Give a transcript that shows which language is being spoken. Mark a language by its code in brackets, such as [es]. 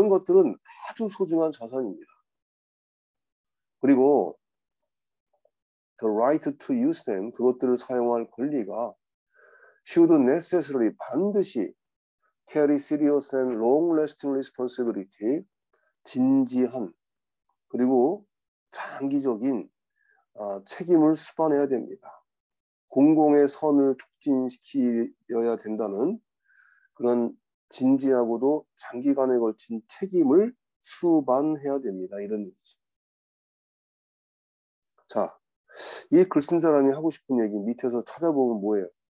[ko] 이런 것들은 아주 소중한 자산입니다. 그리고 [en] the right to use them, [ko] 그것들을 사용할 권리가 [en] should necessarily, [ko] 반드시 [en] carry serious and long-lasting responsibility, [ko] 진지한 그리고 장기적인 책임을 수반해야 됩니다. 공공의 선을 촉진시키어야 된다는 그런 진지하고도 장기간에 걸친 책임을 수반해야 됩니다. 이런 얘기죠. 자, 이 글 쓴 사람이 하고 싶은 얘기 밑에서 찾아보면 뭐예요?